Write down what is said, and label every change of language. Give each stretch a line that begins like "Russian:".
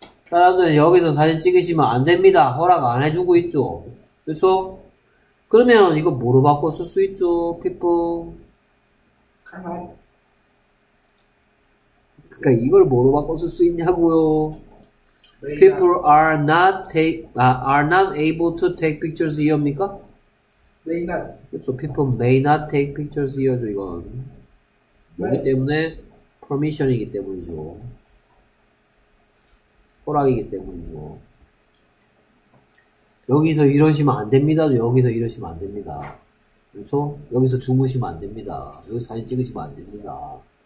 Korean: 사람들은 여기서 사진 찍으시면 안 됩니다. 허락 안 해주고 있죠. 그쵸? 그러면 이거 뭐로 바꿔 쓸 수 있죠, people? 그니까 이걸 뭐로 바꿔 쓸 수 있냐고요.
English: People are not able to take pictures here,
Korean: 입니까?
English: May not.
Korean: 그쵸,
English: people may not take pictures here,
Korean: 죠, 이건. 그렇기 때문에 퍼미션이기 때문이죠. 허락이기 때문이죠. 여기서 이러시면 안 됩니다. 여기서 이러시면 안 됩니다. 그렇죠? 여기서 주무시면 안 됩니다. 여기서 사진 찍으시면 안 됩니다.